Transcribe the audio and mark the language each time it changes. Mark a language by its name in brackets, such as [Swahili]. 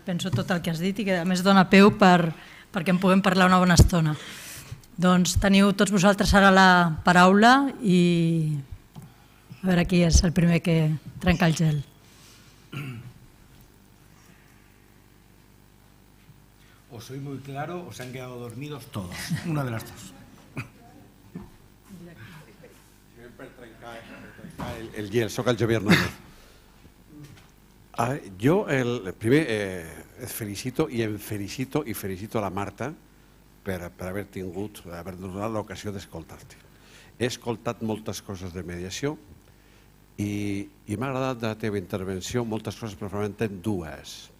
[Catalan] Penso tot el que has dit i que a més dona peu perquè en puguem parlar una bona estona. Doncs teniu tots vosaltres ara la paraula i a veure qui és el primer que trenca el gel. [Spanish] O soy muy claro o se han quedado dormidos todos. Una de las dos. [Catalan] Siempre trencar el gel, soc el Javier Núñez. Yo el primer felicito a la Marta per haver tingut, haver donat l'ocasió d'escoltar-te. He escoltat moltes coses de mediació i m'ha agradat de la teva intervenció moltes coses, però fonamentalment en dues.